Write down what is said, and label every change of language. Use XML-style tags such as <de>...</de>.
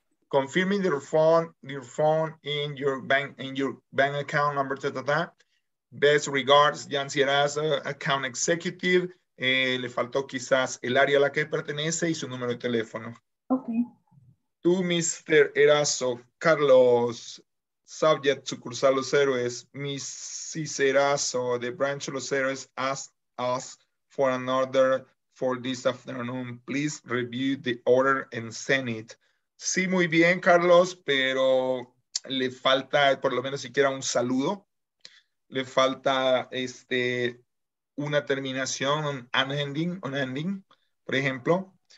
<en>Confirming your phone in your bank account number. Best regards, Jan Sierras, account executive.</en> <es>Le faltó quizás el área a la que pertenece y su número de teléfono.</es> <en>Okay.</en> <es>Tú, Mr. Erazo, Carlos, subject, sucursal Los Héroes.</es> <en>Mrs. Erazo, the branch Los Héroes, ask us for an order for this afternoon. Please review the order and send it.</en> <es>Sí, muy bien, Carlos, pero le falta por lo menos siquiera un saludo. Le falta una terminación, un ending, por ejemplo.</es>